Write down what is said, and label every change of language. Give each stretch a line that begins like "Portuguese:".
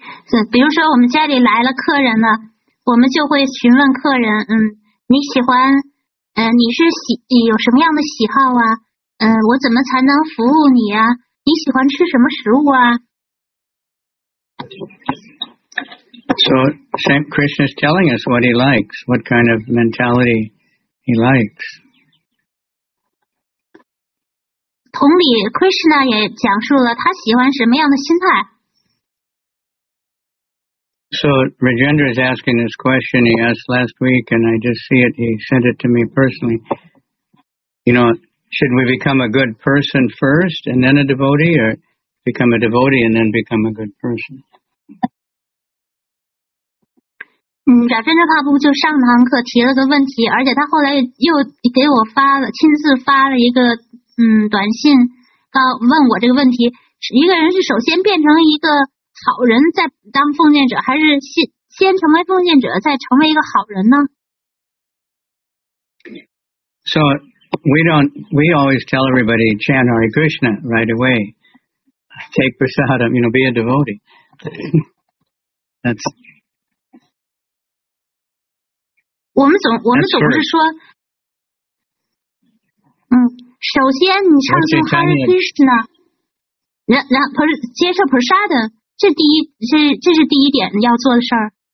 Chinese: So, 比如说我们家里来了客人了，我们就会询问客人，你喜欢，你是有什么样的喜好啊？我怎么才能服务你啊？你喜欢吃什么食物啊？
English: So, Saint Krishna is telling us what he likes, what kind of mentality he likes.
Chinese: 同理 Krishna 也讲述了他喜欢什么样的心态。
English: So Rajendra is asking this question he asked last week and I just see it, he sent it to me personally. You know, should we become a good person first and then a devotee or become a devotee and then become a good person?
Chinese: Rajendra Prabhu 就上堂课提了个问题而且他后来又给我发了亲自发了一个短信到问我这个问题一个人是首先变成一个好人在当奉献者还是 先成为奉献者再成为一个好人呢
English: So we always tell everybody chant Hare Krishna right away take prasadam you know be a devotee that's
Chinese: 我们总是说首先你唱诵 Hare Krishna 然后接受 prasadam这是第一点要做的事儿。